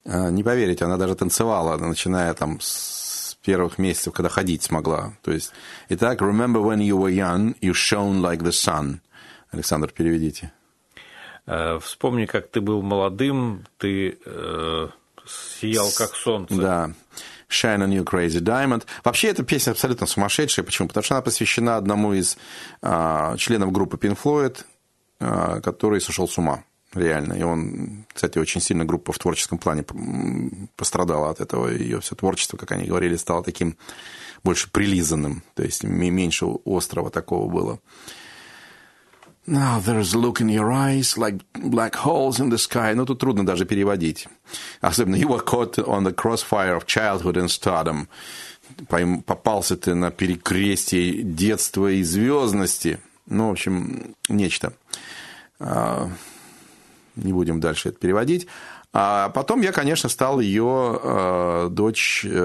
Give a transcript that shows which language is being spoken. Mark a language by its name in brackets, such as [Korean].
[Russian] не поверите, она даже танцевала, начиная там с первых месяцев, когда ходить смогла. То есть, итак, [English] remember when you were young, you shone like the sun. [Russian] Александр, переведите. Вспомни, как ты был молодым, ты сиял, как солнце. Да. [English] Shine a new crazy diamond. [Russian] Вообще, эта песня абсолютно сумасшедшая. Почему? Потому что она посвящена одному из членов группы Pink Floyd, который сошел с ума. Реально. И он, кстати, очень сильно группа в творческом плане пострадала от этого. Ее все творчество, как они говорили, стало таким больше прилизанным. То есть меньше острого такого было. [English] Now there's a look in your eyes like black holes in the sky. [Russian] Ну, тут трудно даже переводить. Особенно [English] you were caught on the crossfire of childhood and stardom. [Russian] Попался ты на перекрестье детства и звездности. Ну, в общем, нечто. Не будем дальше это переводить. А потом я, конечно, стал ее дочь...